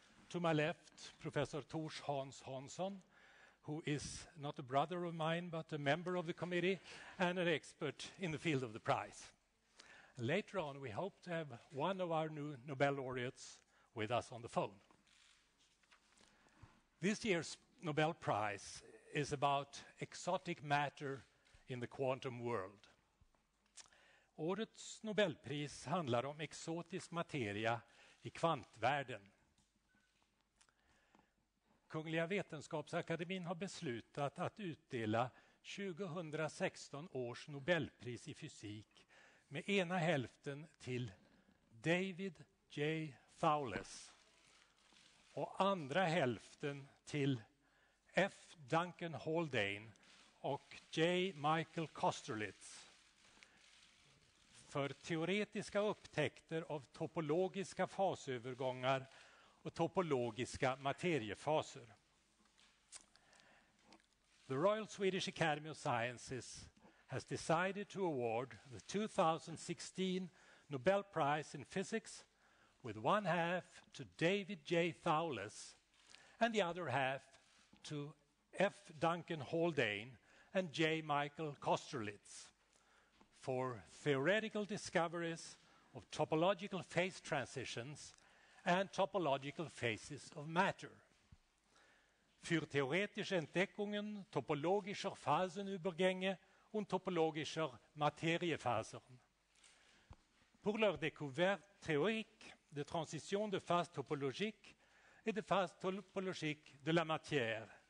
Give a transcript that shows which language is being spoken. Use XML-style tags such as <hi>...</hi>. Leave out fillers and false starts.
<en>To my left, Professor Tors Hans Hansson, who is not a brother of mine, but a member of the committee and an expert in the field of the prize. Later on, we hope to have one of our new Nobel laureates with us on the phone. This year's Nobel Prize is about exotic matter in the quantum world.</en> <sv>Årets Nobelpris handlar om exotisk materia i kvantvärlden. Kungliga Vetenskapsakademin har beslutat att utdela 2016 års Nobelpris i fysik med ena hälften till David J. Thouless och andra hälften till F. Duncan Haldane och J. Michael Kosterlitz för teoretiska upptäckter av topologiska fasövergångar och topologiska materiefaser.</sv> <en>The Royal Swedish Academy of Sciences has decided to award the 2016 Nobel Prize in Physics with one half to David J. Thouless and the other half to F. Duncan Haldane and J. Michael Kosterlitz for theoretical discoveries of topological phase transitions and topological phases of matter.</en> <de>Für theoretische Entdeckungen topologischer Phasenübergänge und topologischer Materiefasern.</de> <fr>Pour leur découverte théorique de transition de phase topologique et de phase topologique de la matière.</fr>